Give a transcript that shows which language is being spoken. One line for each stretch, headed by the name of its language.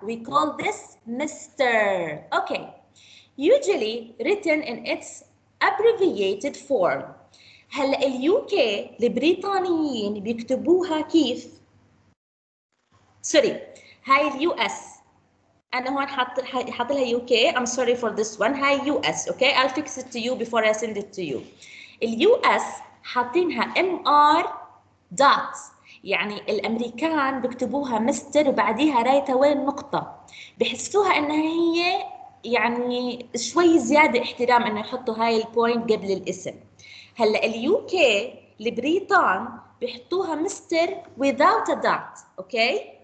English: We call this Mr. Okay. Usually written in its abbreviated form.
Arabic: هلا اليوكا البريطانيين بيكتبوها كيف؟ سوري هاي اليو اس انا هون حاط لها يو كي.
English: I'm sorry for this one.
Arabic: هاي يو اس اوكي.
English: I'll fix it to you before I send it to you.
Arabic: اليو اس حاطينها ام ار دوت. يعني الامريكان بيكتبوها مستر وبعديها رايت وين نقطه، بحسوها انها هي يعني شوي زيادة احترام انه يحطوا هاي البوينت قبل الاسم. هلا اليو كي البريطان بيحطوها مستر
English: without a dot
Arabic: اوكي.